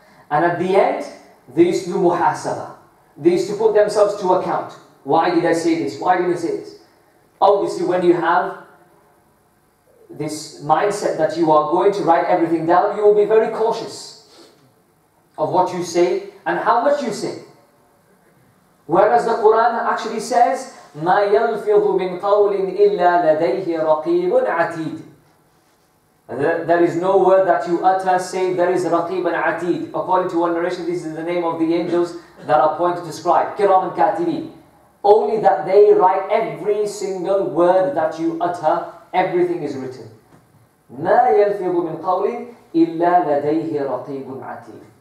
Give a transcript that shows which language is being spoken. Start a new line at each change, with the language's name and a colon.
English: And at the end, they used to do muhasaba. They used to put themselves to account. Why did I say this? Why didn't I say this? Obviously, when you have this mindset that you are going to write everything down, you will be very cautious of what you say and how much you say. Whereas the Quran actually says,
Arabic: مَا يَلْفِظُ مِنْ قَوْلٍ إِلَّا لَدَيْهِ رَقِيبٌ عَتِيدٌ.
English: There is no word that you utter save there is raqib and atid. According to one narration, this is the name of the angels that are appointed to scribe. Kiram and katibi. Only that they write every single word that you utter, everything is written.
Arabic: مَا يَلْفِظُ مِنْ قَوْلٍ إِلَّا لَدَيْهِ رَقِيبٌ عَتِيدٌ.